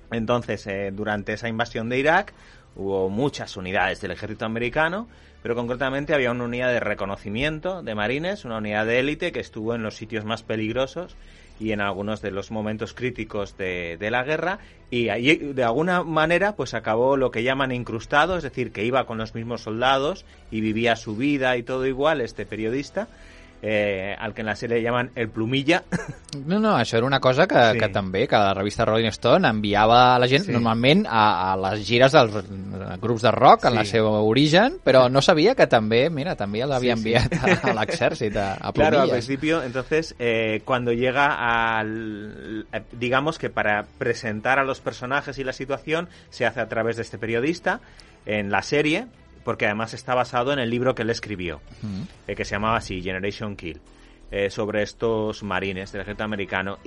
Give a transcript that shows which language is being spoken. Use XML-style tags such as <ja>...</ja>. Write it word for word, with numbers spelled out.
<es>Entonces, eh, durante esa invasión de Irak hubo muchas unidades del ejército americano, pero concretamente había una unidad de reconocimiento de marines, una unidad de élite que estuvo en los sitios más peligrosos y en algunos de los momentos críticos de, de la guerra, y allí de alguna manera pues acabó lo que llaman incrustado, es decir, que iba con los mismos soldados y vivía su vida y todo igual este periodista. Eh, al que en la serie llaman el Plumilla.</es> <ca>No, no, això era una cosa que, sí. que també, que la revista Rolling Stone enviava a la gent, sí. normalment a, a les gires dels grups de rock, sí. en el seu origen, però no sabia que també, mira, també l'havia sí, enviat sí. a, a l'exèrcit, a, a Plumilla.</ca> <es>Claro, al principio, entonces, eh, cuando llega al... digamos que para presentar a los personajes y la situación, se hace a través de este periodista, en la serie... porque además está basado en el libro que él escribió, uh-huh. eh, que se llamaba así, Generation Kill, eh, sobre estos marines del ejército americano.</es>